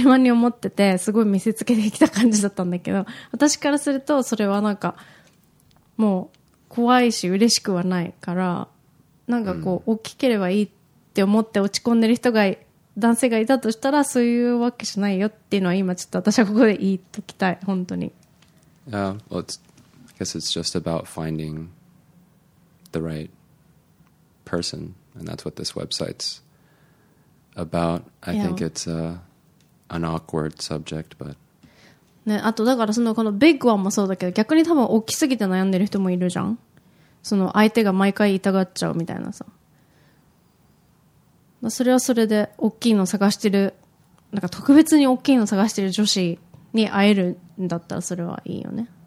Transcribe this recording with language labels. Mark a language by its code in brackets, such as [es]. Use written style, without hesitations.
[ja] 思っててすごい見せつけてきた感じだったんだけど私からするとそれはなんかもう怖いし嬉しくはないからなんかこう大きければいいって思って落ち込んでる人が男性がいたとしたらそういうわけじゃないよっていうのは今ちょっと私はここで言っときたい本当に。 [en] Yeah, well, it's, I guess it's just about finding the right person, and that's what this website's about. I think it's an awkward subject, but [ja] ね、あとだからそのこのビッグワンもそうだけど逆に多分大きすぎて悩んでる人もいるじゃん。その相手が毎回痛がっちゃうみたいなさ、まあ、それはそれで大きいの探してるなんか特別に大きいの探してる女子に会えるんだったらそれはいいよね。